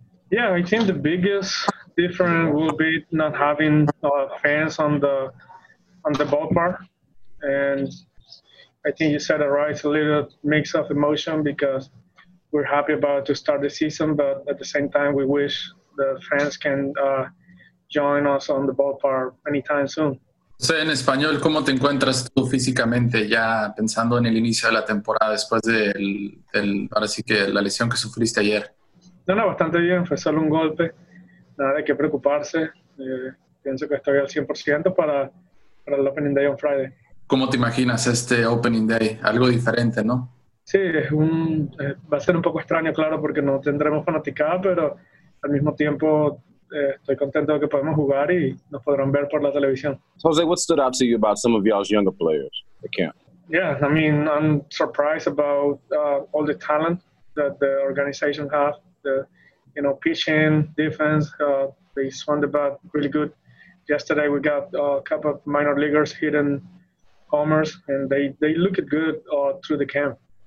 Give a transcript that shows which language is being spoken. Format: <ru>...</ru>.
<en>Yeah, I think the biggest difference will be not having fans on the ballpark. And I think you said it right, it's a little mix of emotion because we're happy about to start the season, but at the same time, we wish the fans can join us on the ballpark anytime soon.</en> <es>José, en español, ¿cómo te encuentras tú físicamente ya pensando en el inicio de la temporada después de la lesión que sufriste ayer? No, bastante bien. Fue solo un golpe. Nada hay que preocuparse. Pienso que estoy al 100% para el</es> <en>opening day on Friday.</en> <es>¿Cómo te imaginas este opening day? Algo diferente, ¿no? Sí, va a ser un poco extraño, claro, porque no tendremos fanaticada, pero al mismo tiempo estoy contento de que podemos jugar y nos podrán ver por la televisión.</es> <en>Jose, what stood out to you about some of y'all's younger players at camp? Yeah, I mean, I'm surprised about all the talent that the organization have. The, you know, pitching, defense, they swung the bat really good. Yesterday we got a couple of minor leaguers hitting homers, and they looked good through the camp.</en>